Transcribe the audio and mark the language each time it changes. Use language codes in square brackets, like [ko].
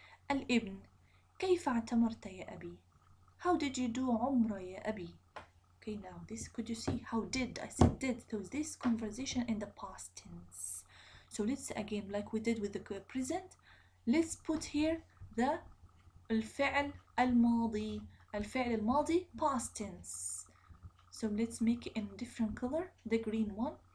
[ar] Al-Ibn, كيف اعتمرت يا أبي? [en] How did you do [ar] عمرة يا أبي? [en] Okay, now this, could you see how did? I said did. So this conversation in the past tense. So let's again, like we did with the present, let's put here the الفعل الماضي. [ar] الفعل الماضي, [en] past tense. So let's make it in different color, the green one.